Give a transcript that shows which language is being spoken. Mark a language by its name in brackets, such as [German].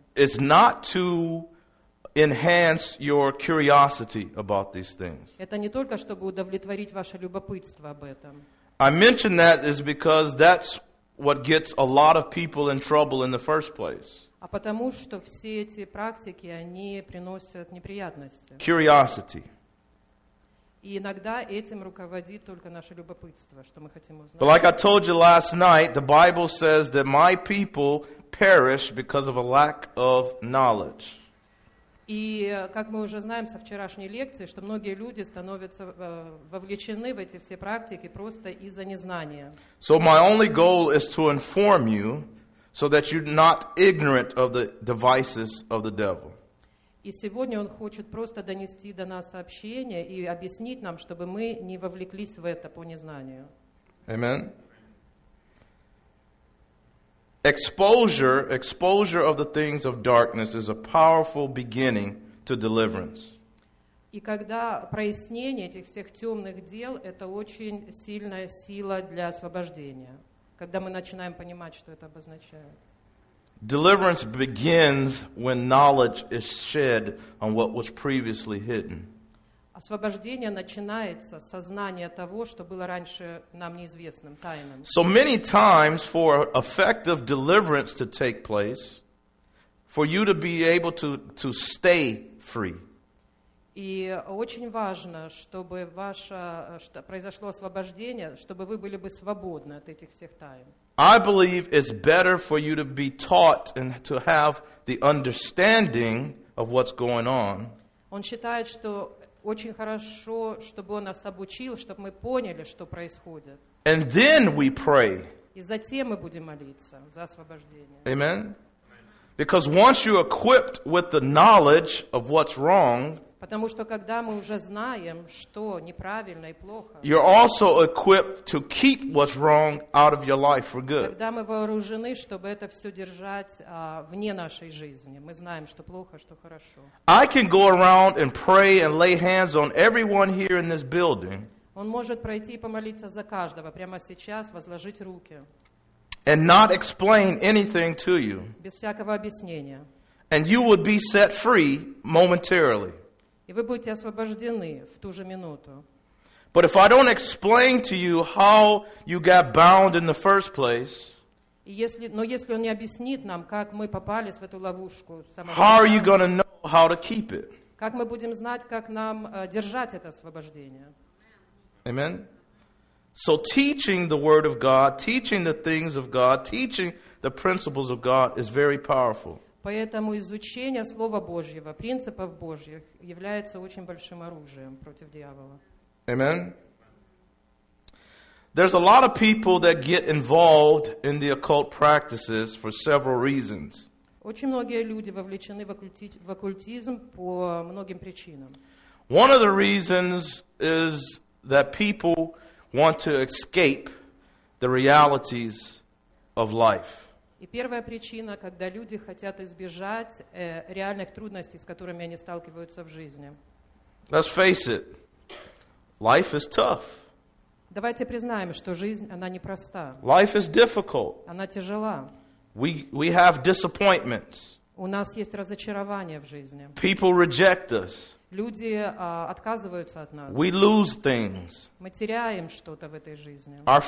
[English] it's not to enhance your curiosity about these things. [Russian] Это не только чтобы удовлетворить ваше любопытство об этом. [English] I mention that is because that's what gets a lot of people in trouble in the first place. [Russian] А потому что все эти практики, они приносят неприятности. [English] Curiosity. [Russian] И иногда этим руководит только наше любопытство, что мы хотим узнать. [English] But like I told you last night, the Bible says that my people perish because of a lack of knowledge. [Russian] И как мы уже знаем со вчерашней лекции, что многие люди становятся вовлечены в эти все практики просто из-за незнания. [English] So my only goal is to inform you so that you're not ignorant of the devices of the devil. [Russian] И сегодня он хочет просто донести до нас сообщение и объяснить нам, чтобы мы не вовлеклись в это по незнанию. [English] Amen. Exposure of the things of darkness is a powerful beginning to deliverance. [Russian] И когда прояснение этих всех темных дел, это очень сильная сила для освобождения, когда мы начинаем понимать, что это обозначает. [English] Deliverance begins when knowledge is shed on what was previously hidden. [Russian] Освобождение начинается с сознания того, что было раньше нам неизвестным, тайным. [English] So many times for effective deliverance to take place, for you to be able to stay free. [Russian] И очень важно, чтобы произошло освобождение, чтобы вы были бы свободны от этих всех тайн. [English] I believe it's better for you to be taught and to have the understanding of what's going on. [Russian] Он считает, что очень хорошо, чтобы он нас обучил, чтобы мы поняли, что происходит. [English] And then we pray. [Russian] И затем мы будем молиться за освобождение. [English] Amen. Because once you're equipped with the knowledge of what's wrong, [Russian] потому что когда мы уже знаем, что неправильно и плохо, [English] you're also equipped to keep what's wrong out of your life for good. [Russian] Когда мы вооружены, чтобы это все держать вне нашей жизни, мы знаем, что плохо, что хорошо. [English] I can go around and pray and lay hands on everyone here in this building. [Russian] Он может пройти и помолиться за каждого прямо сейчас, возложить руки. [English] And not explain anything to you. [Russian] Без всякого объяснения. [English] And you would be set free momentarily. [Russian] И вы будете освобождены в ту же минуту. [English] But if I don't explain to you how you got bound in the first place, [Russian] если он не объяснит нам, как мы попались в эту ловушку, [English] how are you going to know how to keep it? [Russian] Как мы будем знать, как нам держать это освобождение? [English] Amen. So teaching the word of God, teaching the things of God, teaching the principles of God is very powerful. [Russian] Поэтому изучение Слова Божьего, принципов Божьих, является очень большим оружием против дьявола. [English] Amen. There's a lot of people that get involved in the occult practices for several reasons. [Russian] Очень многие люди вовлечены в оккультизм по многим причинам. [English] One of the reasons is that people want to escape the realities of life. [Russian] И первая причина, когда люди хотят избежать реальных трудностей, с которыми они сталкиваются в жизни. [English] Let's face it. Life is tough. [Russian] Давайте признаем, что жизнь, она непроста. [English] Life is difficult. [Russian] Она тяжела. [English] We have disappointments. [Russian] У нас есть разочарования в жизни. [English] People reject us. [Russian] Люди отказываются от нас. [English] We lose things. [Russian] Мы теряем что-то в этой жизни.